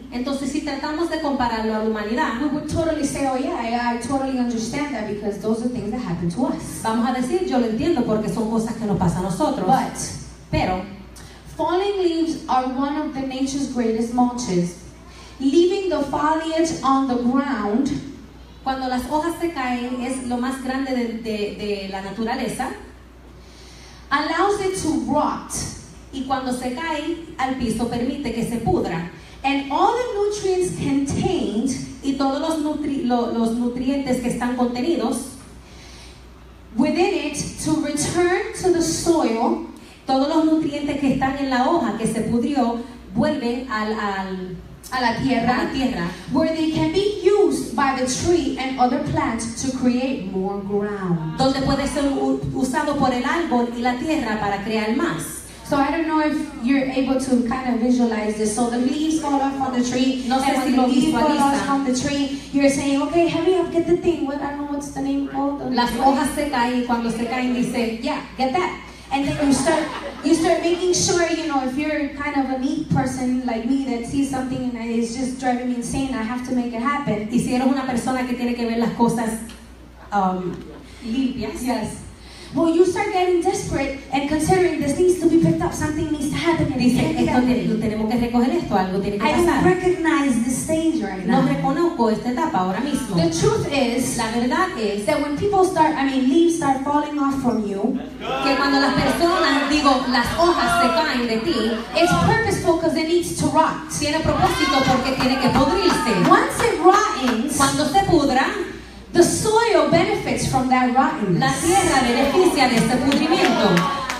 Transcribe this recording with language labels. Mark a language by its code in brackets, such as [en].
[es] entonces si tratamos de compararlo a la humanidad, [en] we would totally say, oh yeah, I totally understand that because those are things that happen to us. [es] Vamos a decir, yo lo entiendo porque son cosas que nos pasan a nosotros. [en] But, [es] pero, [en] falling leaves are one of the nature's greatest mulches. Leaving the foliage on the ground, [es] cuando las hojas se caen, es lo más grande de la naturaleza, [en] allows it to rot, [es] y cuando se cae al piso permite que se pudra, [en] and all the nutrients contained, [es] y todos los nutrientes que están contenidos [en] within it to return to the soil, [es] todos los nutrientes que están en la hoja que se pudrió vuelven a la tierra, [en] where they can be used by the tree and other plants to create more ground. [es] Donde puede ser usado por el árbol y la tierra para crear más. [en] So I don't know if you're able to kind of visualize this. So the leaves fall off from the tree. [es] No sé si lo visualiza. [en] You're saying, okay, hurry up, get the thing. What, I don't know what's the name called. [es] Las hojas se caen, y cuando se caen dice, [en] yeah, get that. And then you start making sure, you know, if you're kind of a neat person like me that sees something and it's just driving me insane, I have to make it happen. [es] Y si eres una persona que tiene que ver las cosas limpias. [en] Yes. Well, you start getting desperate and considering this needs to be picked up. Something needs to happen. [es] Tenemos que recoger esto. Algo tiene que pasar. [en] I don't recognize this stage right now. [es] No reconozco esta etapa ahora mismo. [en] The truth is, [es] la verdad es, [en] that when people start, I mean, leaves start falling off from you, [es] que cuando las personas, digo, las hojas se caen de ti, [en] it's purposeful because it needs to rot. [es] Tiene propósito porque tiene que pudrirse. [en] Once it rots, [es] cuando se pudra, [en] the soil benefits from that rottenness. [es] La tierra beneficia de este pudrimiento.